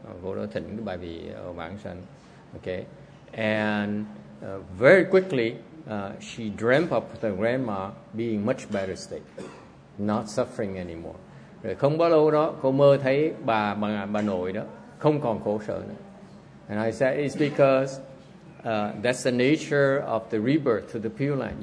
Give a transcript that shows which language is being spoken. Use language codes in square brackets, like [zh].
[vi] Vô đó thỉnh cái bài vị vãng sanh. [en] Okay. And very quickly she dreamt of the grandma being much better state, not suffering anymore. [vi] Rồi không bao lâu đó cô mơ thấy bà nội đó không còn khổ sở nữa. [en] And I said it's because that's the nature of the rebirth to the Pure Land.